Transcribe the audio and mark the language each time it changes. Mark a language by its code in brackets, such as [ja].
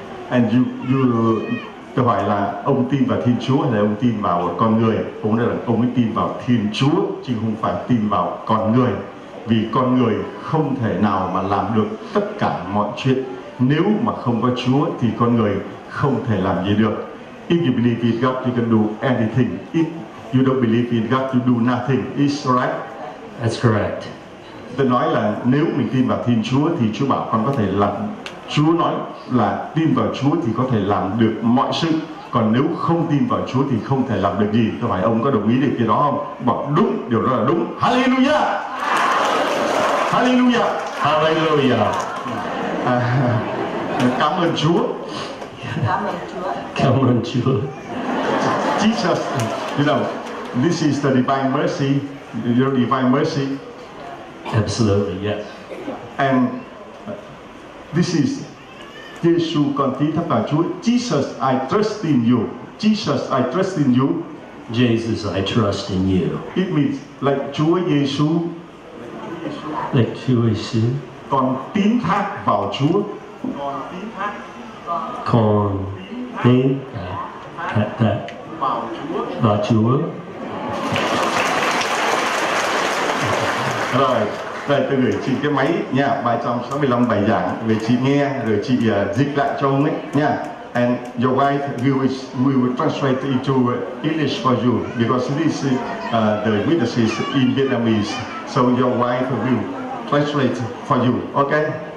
[vi] And tôi hỏi là ông tin vào Thiên Chúa hay là ông tin vào con người? Ông nói là ông ấy tin vào Thiên Chúa chứ không phải tin vào con người. Vì con người không thể nào mà làm được tất cả mọi chuyện. Nếu mà không có Chúa thì con người không thể làm gì được. [en] If you believe in God, you can do anything. If you don't believe in God, you do nothing. It's right. That's correct. [vi] Tôi nói là nếu mình tin vào Thiên Chúa thì Chúa bảo con có thể làm. Chúa nói là tin vào Chúa thì có thể làm được mọi sự. Còn nếu không tin vào Chúa thì không thể làm được gì. Tôi hỏi ông có đồng ý được cái đó không? Bảo đúng, điều đó là đúng. Hallelujah! Hallelujah! [en] Hallelujah! [vi] Cảm ơn Chúa. Cảm ơn Chúa. [en] Jesus, you know, this is the divine mercy, your divine mercy. Absolutely, yes. And this is [vi] Jesus, con tin thật vào Chúa. [en] Jesus, I trust in you. Jesus, I trust in you. Jesus, I trust in you. It means like Chúa Giêsu. Like Chúa Giêsu. [vi] Con tin thác vào Chúa. Con tin thác thác vào Chúa. Rồi, đây tôi gửi chị cái máy nha, 365 bài giảng về chị nghe rồi chị dịch lại cho ông ấy nha. [en] And your wife, we will translate into English for you because this is the witnesses in Vietnamese. So your wife will translate for you. Okay.